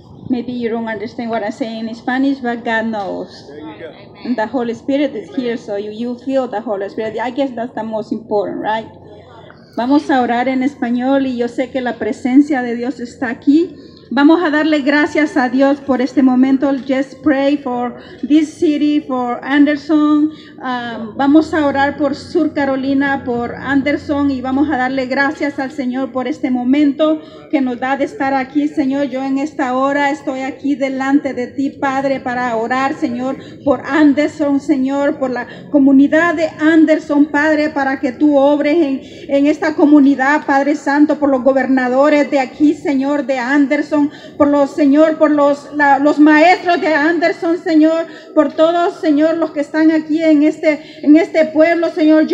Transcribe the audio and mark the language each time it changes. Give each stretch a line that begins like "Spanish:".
English: Maybe you don't understand what I'm saying in Spanish, but God knows. There you go. Amen. And the Holy Spirit is here, so you feel the Holy Spirit. I guess that's the most important, right?
Spanish: Vamos a orar en español y yo sé que la presencia de Dios está aquí. Vamos a darle gracias a Dios por este momento.
English: Just pray for this city, for Anderson.
Spanish: Vamos a orar por Sur Carolina, por Anderson, y vamos a darle gracias al Señor por este momento que nos da de estar aquí, Señor. Yo en esta hora estoy aquí delante de ti, Padre, para orar, Señor, por Anderson, Señor, por la comunidad de Anderson, Padre, para que tú obres en esta comunidad, Padre Santo, por los gobernadores de aquí, Señor, de Anderson, por los, Señor, por los maestros de Anderson, Señor, por todos, Señor, los que están aquí en este pueblo, Señor.